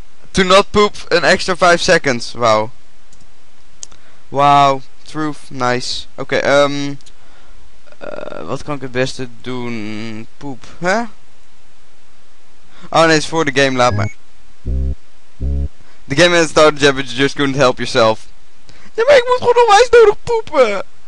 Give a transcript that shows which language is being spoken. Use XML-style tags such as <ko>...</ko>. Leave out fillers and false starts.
<en>To not poop an extra 5 seconds. Wow. Wow. Truth. Nice.</en> <nl>Oké, wat kan ik het beste doen? Poep. Hè? Huh? Oh nee, het is voor de game. Laat maar.</nl> <en>The game had started, yeah, but you just couldn't help yourself.</en> <nl>Ja, maar ik moet gewoon onwijs nodig poepen.</nl>